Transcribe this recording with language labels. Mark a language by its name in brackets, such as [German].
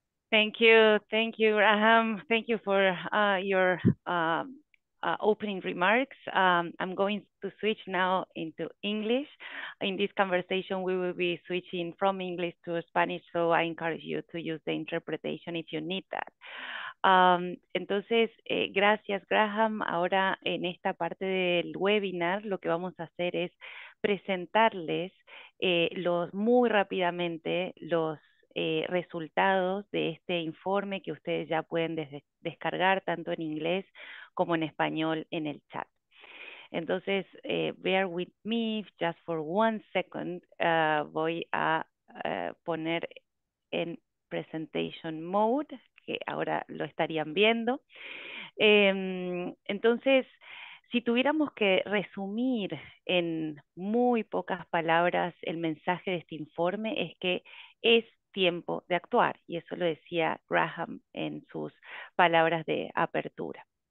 [English] Thank you. Thank you, Raham. Thank you for your opening remarks. I'm going to switch now into English. In this conversation, we will be switching from English to Spanish, so I encourage you to use the interpretation if you need that. [Spanish] Entonces, gracias, Graham. Ahora, en esta parte del webinar, lo que vamos a hacer es presentarles muy rápidamente los resultados de este informe que ustedes ya pueden descargar tanto en inglés como en español en el chat. Entonces, [English] bear with me just for one second. [Spanish] Voy a poner en [English] presentation mode, [Spanish] que ahora lo estarían viendo. Entonces, si tuviéramos que resumir en muy pocas palabras el mensaje de este informe, es que es tiempo de actuar, y eso lo decía Graham en sus palabras de apertura.